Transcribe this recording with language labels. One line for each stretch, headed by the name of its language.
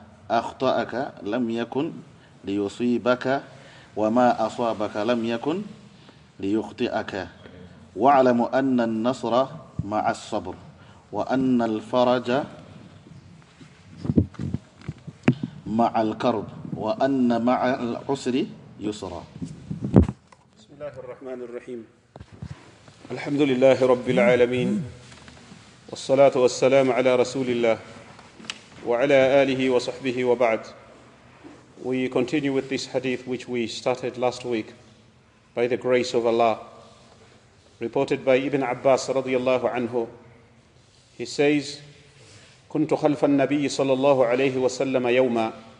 Arabic: أخطأك لم يكن ليصيبك وما أصابك لم يكن ليخطئك واعلم أن النصر مع الصبر وأن الفرج مع الكرب وأن مع العسر يسرا. بسم الله الرحمن الرحيم. الحمد لله رب العالمين والصلاة والسلام على رسول الله وعلى آله وصحبه وبعد.
English: We continue with this hadith which we started last week by the grace of Allah, reported by Ibn Abbas
Arabic: رضي الله عنه.
English: He says,
Arabic: كنت خلف النبي صلى الله عليه وسلم يوما.